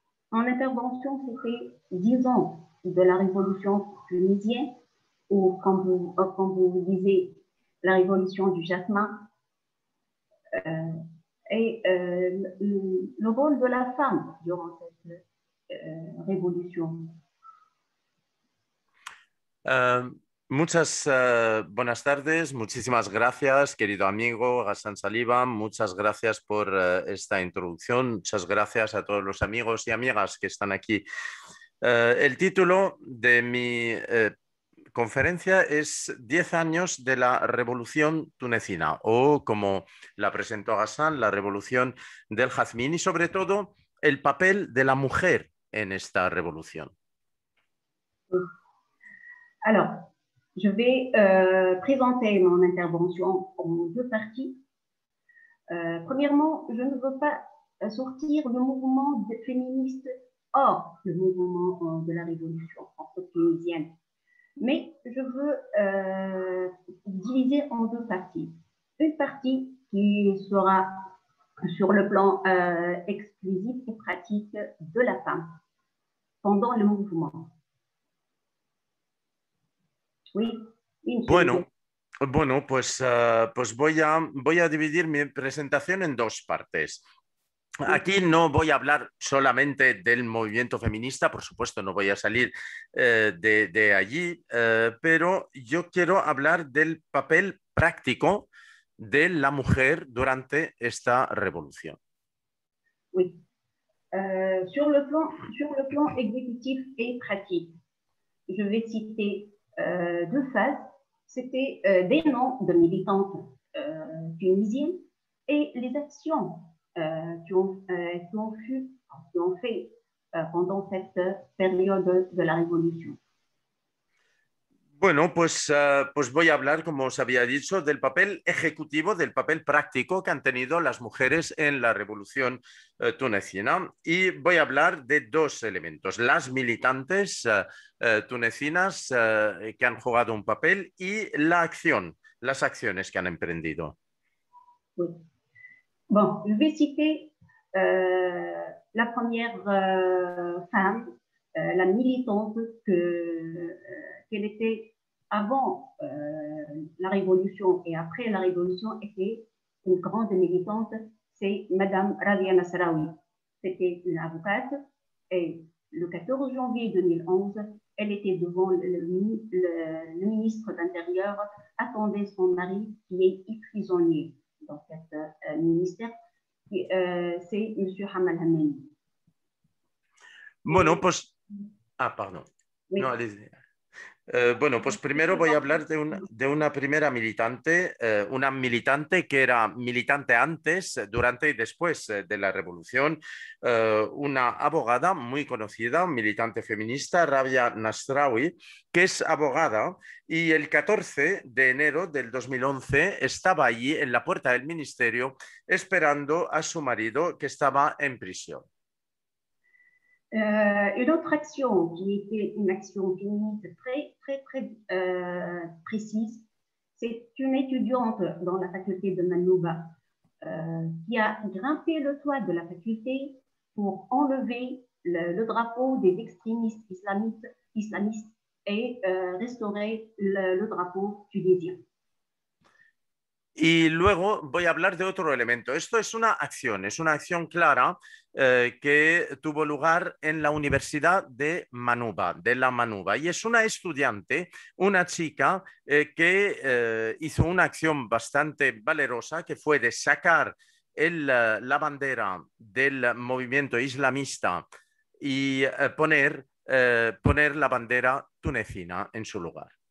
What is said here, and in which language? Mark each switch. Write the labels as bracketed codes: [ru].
[fr] Mon intervention, c'était 10 ans de la révolution tunisienne, ou comme vous disiez, la révolution du jasmin. Et le rôle de la femme durant cette révolution. [es] Muchas buenas tardes, muchísimas gracias, querido amigo Hassan Saliba. Muchas gracias por esta introducción. Muchas gracias a todos los amigos y amigas que están aquí. El título de mi conferencia es 10 años de la Revolución Tunecina, o como la presentó Hassan, la Revolución del Jazmín, y sobre todo el papel de la mujer en esta revolución. [fr] Alors, je vais présenter mon intervention en deux parties. Premièrement, je ne veux pas sortir le mouvement féministe hors le mouvement de la révolution tunisienne, mais je veux diviser en deux parties. Une partie qui sera sur le plan exclusif et pratique de la femme pendant le mouvement. Oui, une [es] Bueno, [fr] seconde. [es] pues, pues voy a dividir mi presentación en dos partes. Aquí no voy a hablar solamente del movimiento feminista, por supuesto, no voy a salir de allí, pero yo quiero hablar del papel práctico de la mujer durante esta revolución. [fr] Oui. Sur le plan exécutif et pratique, je vais citer deux phases. C'était des noms de militantes tunisiennes et les actions qui ont fait pendant cette période de la Révolution. [es] Bueno, pues, pues voy a hablar, como os había dicho, del papel ejecutivo, del papel práctico que han tenido las mujeres en la revolución tunecina. Y voy a hablar de dos elementos: las militantes tunecinas que han jugado un papel y la acción, las acciones que han emprendido. [fr] Bon, je vais citer la première femme, la militante qu'elle était avant la Révolution et après la Révolution, était une grande militante, c'est Madame Rabia Nasraoui. C'était une avocate et le 14 janvier 2011, elle était devant le ministre d'Intérieur, attendait son mari qui est prisonnier dans cet ministère, c'est Monsieur Hamal [es] Bueno, [fr] Hamani. [es] pues. Ah, perdón. [fr] Oui. [es] No, bueno, pues primero voy a hablar de una primera militante, una militante que era militante antes, durante y después de la revolución, una abogada muy conocida, militante feminista, Rabia Nasraoui, que es abogada y el 14 de enero del 2011 estaba allí en la puerta del ministerio esperando a su marido que estaba en prisión. [fr] Une autre action qui était une action féministe très, très, très précise, c'est une étudiante dans la faculté de Manouba qui a grimpé le toit de la faculté pour enlever le drapeau des extrémistes islamistes et restaurer le drapeau tunisien. [es] Y luego voy a hablar de otro elemento. Esto es una acción clara que tuvo lugar en la Universidad de Manuba, de la Manuba. Y es una estudiante, una chica, que hizo una acción bastante valerosa, que fue de sacar la bandera del movimiento islamista y poner la bandera tunecina en su lugar.